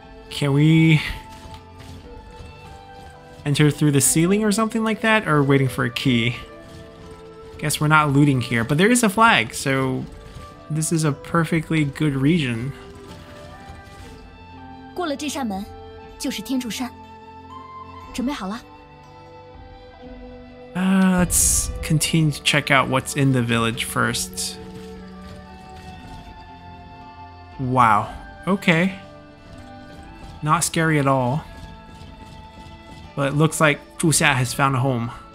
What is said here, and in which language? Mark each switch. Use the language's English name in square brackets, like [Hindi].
[English] Can we enter through the ceiling or something like that? Or waiting for a key? Guess we're not looting here, but there is a flag, so this is a perfectly good region. [Chinese] 过了这扇门，就是天柱山。准备好了。 [English] Let's continue to check out what's in the village first. Wow. Okay. Not scary at all. But it looks like Zhuxia has found a home.